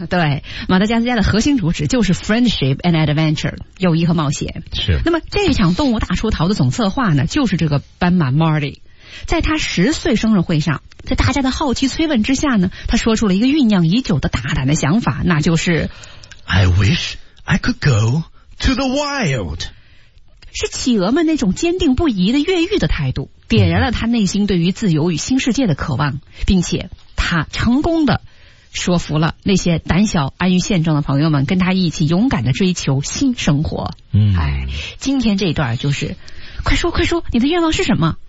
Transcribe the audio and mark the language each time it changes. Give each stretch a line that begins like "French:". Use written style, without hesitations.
Chinese: 对，马达加斯加的核心主旨就是
English: friendship and adventure，
Chinese: 友谊和冒险。是。那么这一场动物大出逃的总策划呢，就是这个斑马 Marty。在他十岁生日会上，在大家的好奇催问之下呢，他说出了一个酝酿已久的大胆的想法，那就是
English: I wish I could go to the wild，
Chinese: 是企鹅们那种坚定不移的越狱的态度，点燃了他内心对于自由与新世界的渴望，并且他成功的说服了那些胆小安于现状的朋友们跟他一起勇敢的追求新生活。今天这一段就是快说快说，你的愿望是什么？